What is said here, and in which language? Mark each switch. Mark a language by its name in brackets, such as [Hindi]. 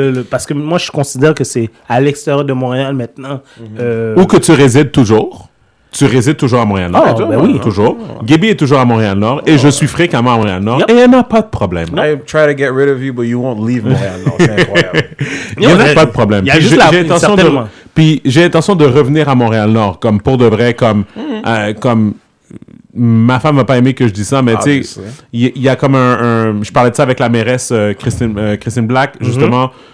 [French] Parce que moi, je considère que c'est à l'extérieur de Montréal maintenant. Ou que tu résides toujours. Tu résides toujours à Montréal-Nord. Ah, ben oui. Toujours. Gabby est toujours à Montréal-Nord et je suis fréquemment à Montréal-Nord et elle n'a pas de problème. [English] I try to get rid of you, but you won't leave Montréal-Nord. [French] Il n'y a pas de problème. Il y a juste Puis j'ai l'intention de revenir à Montréal-Nord, comme pour de vrai, comme... comme ma femme va pas aimer que je dise ça, mais tu sais, il y a comme un... Je parlais de ça avec la mairesse Christine Black, justement.